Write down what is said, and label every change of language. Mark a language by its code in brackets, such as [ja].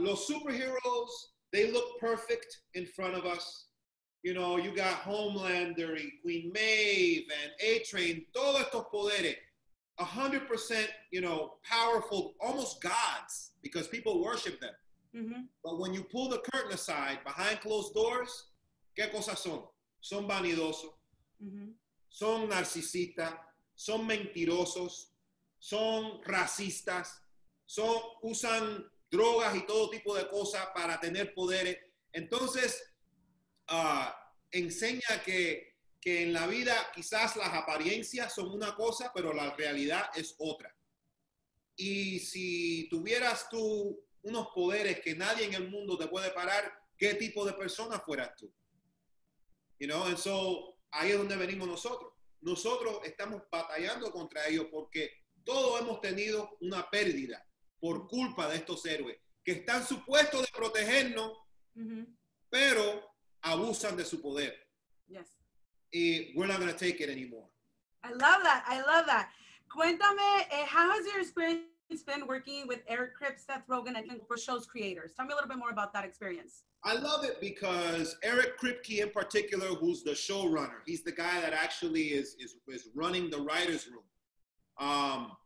[es] Los superheroes, [en] they look perfect in front of us. You know, you got Homelander and Queen Maeve and A-Train, [es] todos estos poderes, [en] 100%, you know, powerful, almost gods, because people worship them. Mm-hmm. But when you pull the curtain aside, behind closed doors, [es] ¿qué cosas son? Son vanidosos, son narcisistas, son mentirosos, son racistas, son usan drogas y todo tipo de cosas para tener poderes. Entonces, enseña que en la vida quizás las apariencias son una cosa, pero la realidad es otra. Y si tuvieras tú unos poderes que nadie en el mundo te puede parar, ¿qué tipo de persona fueras tú? [en] You know, and so [es] ahí es donde venimos nosotros. Nosotros estamos batallando contra ellos porque todos hemos tenido una pérdida por culpa de estos héroes que están supuestos de protegernos, pero abusan de su poder. [en] Yes. Y we're not going to take it anymore. I love that. I love that. [es] Cuéntame, [en] how has your experience been working with Eric Kripp, Seth Rogen, and for show's creators? Tell me a little bit more about that experience. I love it because Eric Kripke in particular, who's the showrunner, he's the guy that actually is running the writer's room.